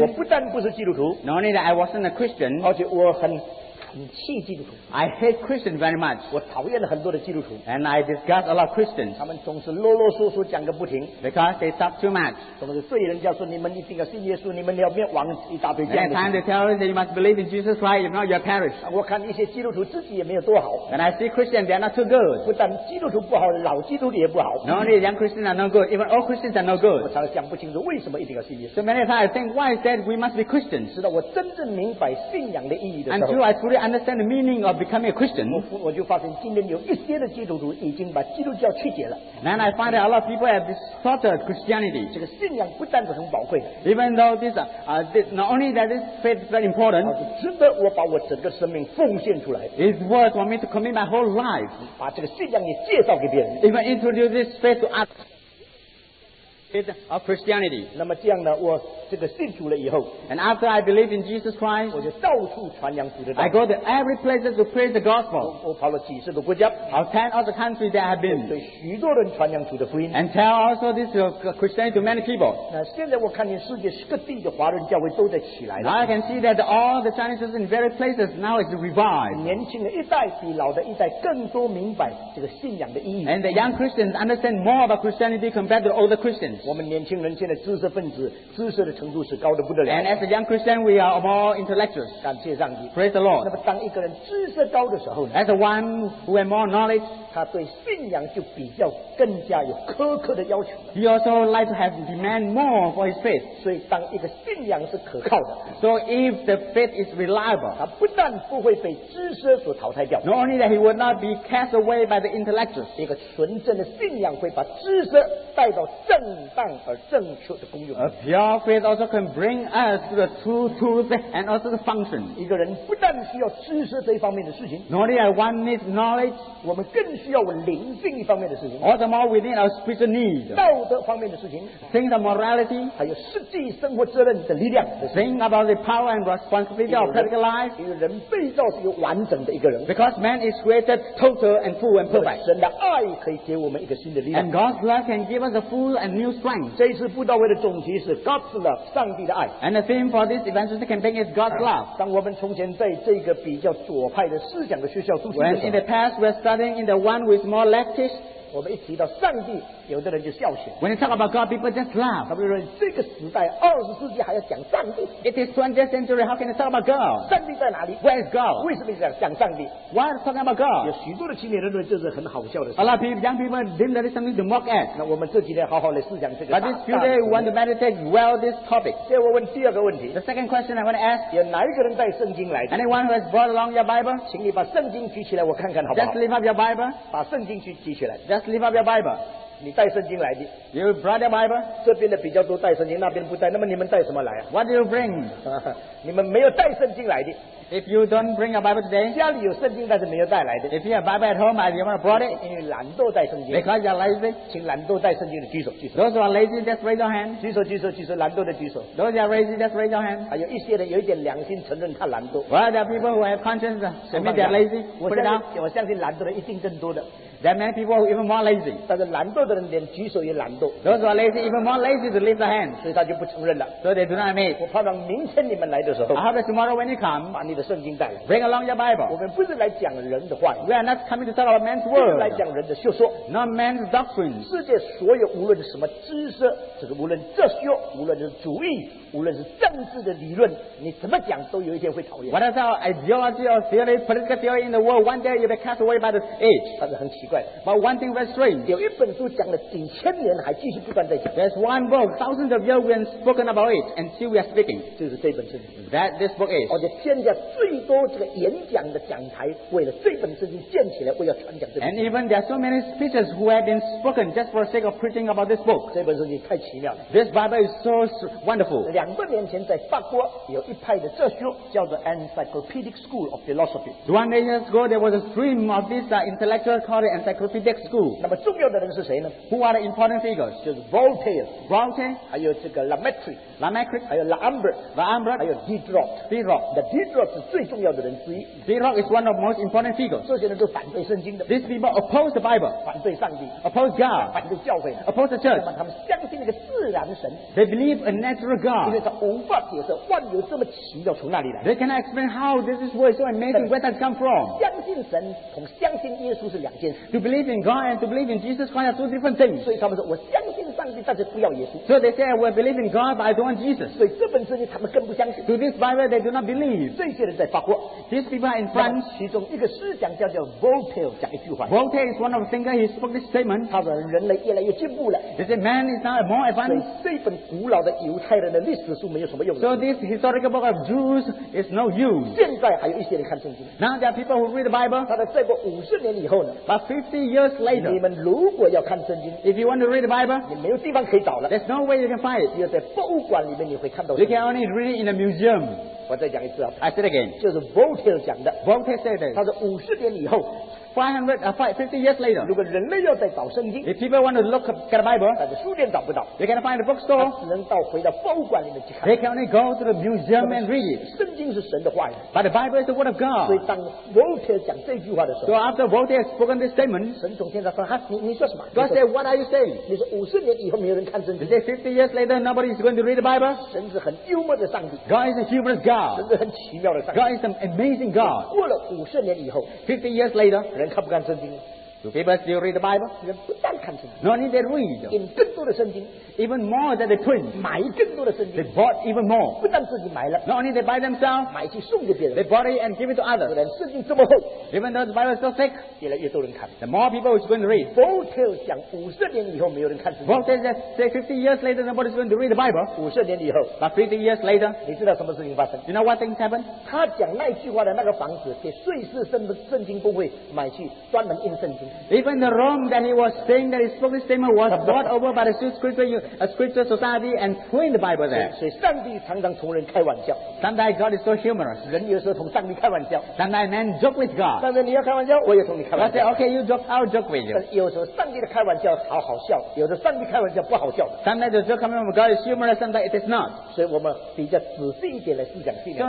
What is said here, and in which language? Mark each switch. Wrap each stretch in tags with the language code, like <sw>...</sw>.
<zh>我不但不是基督徒</zh> <en>，Not only that I wasn't a Christian.</en> <zh>而且我很。很气基督徒。</zh> <en>I hate Christians very much.</en> <zh>我讨厌了很多的基督徒。</zh> <en>And I disgust a lot of Christians.</en> <zh>他们总是啰啰嗦嗦讲个不停。</zh> <en>Because they talk too much.</en> <zh>总是对人家说你们一定要信耶稣，你们要灭亡一大堆。</zh> <en>Many times they tell you that you must believe in Jesus Christ, if not you'll perish.</en> <zh>我看一些基督徒自己也没有多好。</zh> <en>And I see Christians they are not too good.</en> <zh>不但基督徒不好，老基督徒也不好。</zh> <en>Not only young Christians are no good, even old Christians are no good.</en> <zh>我常常讲不清楚为什么一定要信耶稣。</zh> <en>So many times I think why is that we must be Christians?</en> <zh>直到我真正明白信仰的意义的时候。</zh> <en>Until I understand the meaning of becoming a Christian.</en> <zh>我就发现今天有一些的基督徒已经把基督教曲解了。</zh> <en>And I find that a lot of people have distorted Christianity.</en> <zh>这个信仰不但是很宝贵的。</zh> <en>Even though this not only that this faith is very important.</en> <zh>值得我把我整个生命奉献出来。</zh> <en>It's worth for me to commit my whole life.</en> <zh>把这个信仰也介绍给别人。</zh> <en>Even introduce this faith to others. Faith of Christianity.</en> <zh>那么这样呢，我。这个信主了以后</zh> <en>，and after I believe in Jesus Christ，</en> <zh>我就到处传扬主的道。</zh> <en>I go to every place to preach the gospel。</en> <zh>我跑了几十个国家</zh> <en>，I've turned all the countries that I've been。</en> <zh>对许多人传扬主的福音</zh> <en>，and tell also this Christianity to many people。</en> <zh>那现在我看见世界各地的华人教会都在起来了。</zh> <en>Now I can see that all the Chinese in various places now is revived。</en> <zh>年轻的一代比老的一代更多明白这个信仰的意义。</zh> <en>And the young Christians understand more about Christianity compared to older Christians。</en> <zh>我们年轻人现在知识分子，知识的。程度是高得不得了。</zh> <en>And as a young Christian, we are of all intellectuals.</en> <zh>感谢上帝。</zh> <en>Praise the Lord.</en> <zh>那么当一个人知识高的时候呢</zh> <en>？As a one who has more knowledge,</en> <zh>他对信仰就比较更加有苛刻的要求。</zh> <en>He also likes to have demand more for his faith.</en> <zh>所以当一个信仰是可靠的</zh> <en>，So if the faith is reliable,</en> <zh>他不但不会被知识所淘汰掉</zh> <en>，Not only that he will not be cast away by the intellectuals.</en> <zh>一个纯正的信仰会把知识带到正当而正确的功用。</zh> <en>A pure faith also can bring us to the true truth and also the function.</en> <zh>一个人不但需要知识这一方面的事情</zh> <en>，Not only that one needs knowledge，</en> <zh>我们更需要灵性一方面的事情</zh> <en>，All the more we need our spiritual need，</en> <zh>道德方面的事情</zh> <en>，Think of morality，</en> <zh>还有实际生活责任的力量的</zh> <en>，Think about the power and responsibility of practical life。</en> <zh>一个人被造是一个完整的一个人</zh> <en>，Because man is created total and full and perfect。</en> <zh>神的爱可以给我们一个新的力量</zh> <en>，And God's love can give us a full and new strength。</en> <zh>这一次布道会的总题是</zh> <en>God's love。</en> <zh>上帝的爱</zh> <en>，and the theme for this evangelistic campaign is God's love。</en> <zh>当我们从前在这个比较左派的思想的学校出现的时候</zh> <en>，when in the past we're studying in the one with more leftist，</en> <zh>我们一提到上帝，有的人就笑起来。</zh> <en>When you talk about God, people just laugh。</en> <zh>他们说这个时代二十世纪还要讲上帝</zh> <en>？It is 20th century. How can you talk about God？</en> <zh>上帝在哪里</zh> <en>？Where is God？</en> <zh>为什么要讲上帝</zh> <en>？Why are you talking about God？</en> <zh>有许多的青年人认为这是很好笑的事。</zh> <en>A lot of young people think that is something to mock at。</en> <zh>那我们这几天好好来思想这个。</zh> <en>But this few days, we want to meditate well this topic。</en> <zh>接着我问第二个问题。</zh> <en>The second question I want to ask。</en> <zh>有哪一个人带圣经来</zh> <en>？Anyone who has brought along your Bible？</en> <zh>请你把圣经举起来，我看看好不好</zh> <en>？Just lift up your Bible。</en> <zh>把圣经举起来。</zh> <en>Just lift up your Bible。</en> <zh>你带圣经来的</zh> <en>？You brought your Bible。</en> <zh>这边的比较多带圣经，那边不带。那么你们带什么来啊</zh> <en>？What do you bring？</en> <zh>你们没有带圣经来的。</zh> <en>If you don't bring your Bible today，</en> <zh>家里有圣经，但是没有带来的。</zh> <en>If you have Bible at home， you haven't brought it，</en> <zh>因为懒惰带圣经。</zh> <en>Because you're lazy，</en> <zh>请懒惰带圣经的举手举手。</zh> <en>Those who are lazy just raise your hand。</en> <zh>举手举手举手，懒惰的举手。</zh> <en>Those who are lazy just raise your hand。</en> <zh>还有一些人有一点良心，承认他懒惰。</zh> <en>Well, there are people who have conscience，</en> <zh>承认</zh> <en>they're lazy。</en> <zh>我相信懒惰的一定更多的。</zh> <en>There are many people who are even more lazy.</en> <zh>但是懒惰的人连举手也懒惰。</zh> <en>Those who are lazy, even more lazy to lift the hand.</en> <zh>所以他就不承认了。</zh> <en>So they do not admit.</en> <zh>我盼望明天你们来的时候。</zh> <en>I hope that tomorrow when you come,</en> <zh>把你的圣经带来。</zh> <en>Bring along your Bible.</en> <zh>我们不是来讲人的话。</zh> <en>We are not coming to talk about man's word.</en> <zh>不是来讲人的学说。</zh> <en>Not man's doctrine.</en> <zh>世界所有无论什么知识，这个无论哲学，无论是主义，无论是政治的理论，你怎么讲都有一天会讨厌。</zh> <en>What is our ideology or theory, political theory in the world? One day you'll be cast away by the age.</en> <zh>但是很奇怪。</zh> <en>But one thing very strange.</en> <zh>有一本书讲了几千年，还继续不断在讲。</zh> <en>There's one book, thousands of years we have spoken about it, and still we are speaking.</en> <zh>就是这本圣经。</zh> <en>That this book is.</en> <zh>而且现在最多这个演讲的讲台，为了这本圣经建起来，为了传讲这本。</zh> <en>And even there are so many speeches who have been spoken just for the sake of preaching about this book.</en> <zh>这本圣经太奇妙了。</zh> <en>This Bible is so wonderful.</en> <zh>两百年前在法国有一派的哲学叫做 Encyclopedic School of Philosophy.</zh> <en>200 years ago, there was a stream of this intellectual called Encyclopedic School.</en> <zh>那么重要的人是谁呢？</zh> <en>Who are the important figures?</en> <zh>就是 Voltaire.</zh> <en>Voltaire.</en> <zh>还有这个 Lemaître.</zh> <en>Lemaître.</en> <zh>还有 L'Ambert.</zh> <en>L'Ambert.</en> <zh>还有 Diderot.</zh> <en>Diderot.</en> <zh>The Diderot 是最重要的人之一。</zh> <en>Diderot is one of most important figures.</en> <zh>这些人都反对圣经的。</zh> <en>These people oppose the Bible.</en> <zh>反对上帝。</zh> <en>Oppose God.</en> <zh>反对教会。</zh> <en>Oppose the church.</en> <zh>那么他们相信那个自然神。</zh> <en>They believe a natural God.</en> <zh>因为他无法解释万有这么奇妙从哪里来。</zh> <en>They cannot explain how this is what is so amazing, where does it come from?</en> <zh>相信神和相信耶稣是两件事。</zh> <en>To believe in God and to believe in Jesus Christ are two different things.</en> <zh>所以他们说我相信上帝，但是不要耶稣。</zh> <en>So they say I will believe in God, but I don't want Jesus.</en> <zh>所以这本圣经他们更不相信。</zh> <en>To this Bible, they do not believe.</en> <zh>这些人在法国。</zh> <en>These people are in France.</en> <zh>其中一个思想家叫 Voltaire 讲一句话。</zh> <en>Voltaire is one of the thinkers. He spoke this statement.</en> <zh>他说人类越来越进步了。</zh> <en>He said man is now more advanced.</en> <zh>所以这本古老的犹太人的历史书没有什么用。</zh> <en>So this historical book of Jews is no use.</en> <zh>现在还有一些人看圣经。</zh> <en>Now there are people who read the Bible.</en> <zh>他说再过五十年以后呢？</zh> <en>But 50 years later.</en> <zh>你们如果要看圣经，</zh> <en>if you want to read the Bible,</en> <zh>你没有地方可以找了。</zh> <en>There's no way you can find it.</en> <zh>只有在博物馆里面你会看到。</zh> <en>You can only read it in a museum.</en> <zh>我再讲一次啊。</zh> <en>I said again.</en> <zh>就是 Voltaire 讲的。</zh> <en>Voltaire said it.</en> <zh>他说五十年以后。</zh> <en>50 years later,</en> <zh>如果人类要再找圣经，</zh> <en>if people want to look at the Bible,</en> <zh>但是书店找不到，</zh> <en>they can find the bookstore,</en> <zh>只能到回到博物馆里面去看。</zh> <en>They can only go to the museum and read it.</en> <zh>圣经是神的话语，</zh> <en>but the Bible is the word of God.</en> <zh>所以当 Voltaire 讲这句话的时候，</zh> <en>so after Voltaire spoken this statement,</en> <zh>神从天上说，哈，你说什么？</zh> <en>God said, what are you saying?</en> <zh>你说五十年以后没有人看圣经。</zh> <en>They say 50 years later, nobody is going to read the Bible.</en> <zh>神是很幽默的上帝。</zh> <en>God is a humorous God.</en> <zh>神是很奇妙的上帝。</zh> <en>God is an amazing God.</en> <zh>过了五十年以后，</zh> <en>50 years later.</en> <zh>人看不看圣经？</zh> <en>Do people still read the Bible?</en> <zh>人不但看圣经，</zh> <en>not only they read,</en> <zh>印更多的圣经，</zh> <en>even more than they print,</en> <zh>买更多的圣经，</zh> <en>they bought even more,</en> <zh>不但自己买了，</zh> <en>not only they buy themselves,</en> <zh>买去送给别人，</zh> <en>they bought it and give it to others.</en> <zh>虽然圣经这么厚，</zh> <en>even though the Bible is so thick,</en> <zh>越来越多人看，</zh> <en>the more people is going to read.</en> <zh>Voltaire 讲五十年以后没有人看圣经。</zh> <en>Voltaire said 50 years later, nobody is going to read the Bible.</en> <zh>五十年以后，</zh> <en>but 50 years later,</en> <zh>你知道什么事情发生？</zh> <en>You know what things happen?</en> <zh>他讲那句话的那个房子给瑞士圣经公会买去专门印圣经。</zh> <en>Even the room that he was saying that he spoke this statement was bought over by the Swiss scripture society and printed the Bible there.</en> <zh>所以上帝常常同人开玩笑。</zh> <en>Sometimes God is so humorous.</en> <zh>人有时候同上帝开玩笑。</zh> <en>Sometimes man joke with God.</en> <zh>上帝你要开玩笑，我也同你开玩笑。</zh> <en>I say, okay, you joke, I'll joke with you.</en> <zh>但有时候上帝的开玩笑好好笑，有时候上帝开玩笑不好笑。</zh> <en>Sometimes the joke coming from God is humorous, sometimes it is not.</en> <zh>所以我们比较仔细一点来思想信仰。</zh>